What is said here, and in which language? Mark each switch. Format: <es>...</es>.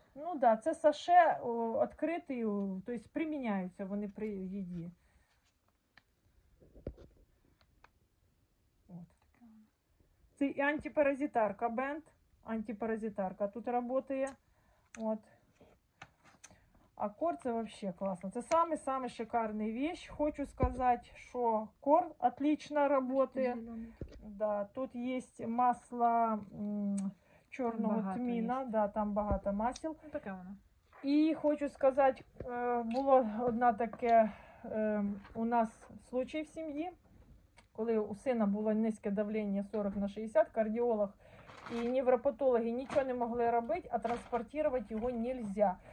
<uk>Ну, да, це саше відкритий, тобто приміняються вони при їді. От. Це і антипаразитарка бенд. Антипаразитарка тут працює. От. А кор це вообще классно. Це саме-саме шикарний вещь. Хочу сказати, що кор отлично работает.</uk> <ru>Да, тут есть масло чорного тміна.</ru> <uk>Да, там багато масел. Ну, така вона. І хочу сказати, було одна таке у нас случай в сім'ї, коли у сина було низьке давлення 40 на 60, кардіолог і невропатологи нічого не могли робити, а транспортувати його нільзя.</uk>